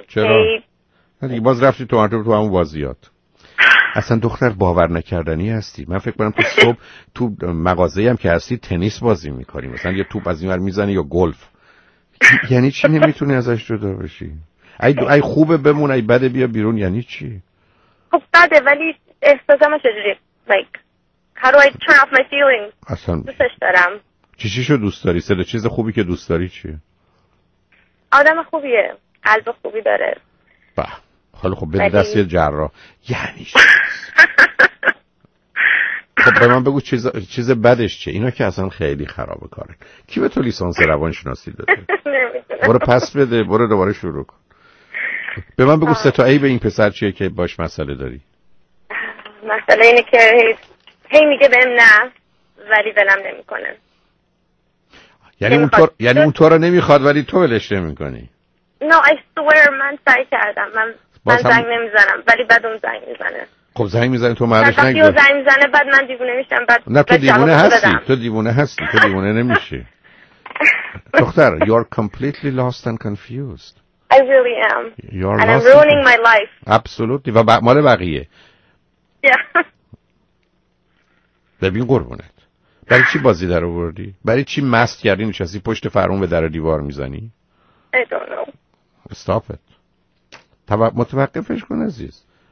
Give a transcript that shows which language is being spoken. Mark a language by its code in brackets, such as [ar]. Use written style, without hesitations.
[fa] چرا؟ دیگه باز رفتی تو مرتبه تو همون وضعیت. اصلا دختر باور نکردنی هستی. من فکر کنم تو صبح تو مغازه‌ای هم که هستی تنیس بازی می‌کنی، مثلا یه توپ از اینور می‌زنی یا گلف. یعنی چی نمیتونی ازش جدا بشی؟ ای خوبه بمون، ای بده بیا بیرون، یعنی چی؟ خب بده، ولی احساسم چجوری؟ [en] How do I turn off my feelings؟ [fa] اصلا دوستش دارم. چی شو دوست داری؟ سر چیز خوبی که دوست داری چیه؟ آدم خوبیه، قلب خوبی داره. بح. حالا خب بده دست یه جراح. یعنی چی؟ خب به من بگو چیز بدش چیه؟ اینا که اصلا خیلی خرابه کاره. کی به تو لیسانس روانشناسی داده؟ نمیدونم. برو پس بده، برو دوباره شروع کن. به من بگو ستا ای به این پسر چیه که باش مسئله داری؟ مسئله اینه که هی میگه بهم نه، ولی بلم نمی کنه. یعنی اون تو رو نمیخواد ولی تو بلش نمی کنی؟ [en] No, I swear [fa] من سعی کردم. من زنگ نمیزنم ولی بعد اون زنگ میزنه. خب زنگ میزنه تو معلش نگی. وقتی زنگ میزنه بعد من دیوونه میشم. بعد نه تو دیوونه هستی. تو دیوونه هستی. تو دیوونه نمیشی. دختر [en] you are completely lost and confused. I really am. You're and I'm ruining my life. Absolutely. [fa] و مال بقیه. [en] Yeah. [fa] ببین قربونت. برای چی بازی در آوردی؟ برای چی مست کردی نشستی پشت فرمون به در دیوار میزنی؟ [en] I don't know. Stop it. [fa] متوقفش کن عزیز.